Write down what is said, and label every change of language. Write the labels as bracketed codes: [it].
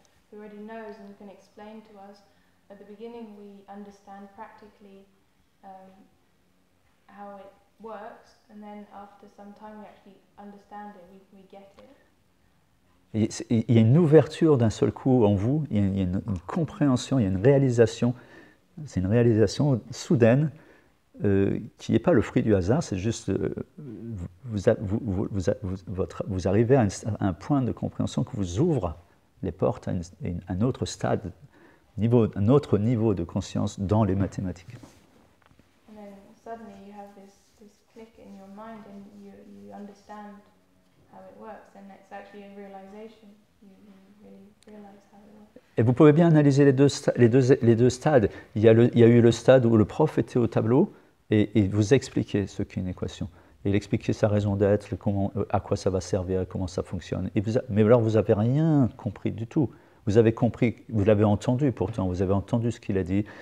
[en] Who already knows and can explain to us. At the beginning, we understand practically how it works, and then after some time, we actually understand it. We get it. [fr] Il y a une ouverture d'un seul coup en vous. Il y a une compréhension, il y a une réalisation. C'est une réalisation soudaine qui n'est pas le fruit du hasard. C'est juste vous arrivez à un point de compréhension que vous ouvre les portes à un autre stade, un autre niveau de conscience dans les mathématiques. [en] And then suddenly you have this click in your mind and you understand how it works and it's actually a realization. You really realize how it works. [fr] Et vous pouvez bien analyser les deux stades. Il y a eu le stade où le prof était au tableau et vous expliquait ce qu'est une équation. Il expliquait sa raison d'être, à quoi ça va servir, comment ça fonctionne. Mais alors, vous n'avez rien compris du tout. Vous avez compris, vous l'avez entendu pourtant, vous avez entendu ce qu'il a dit.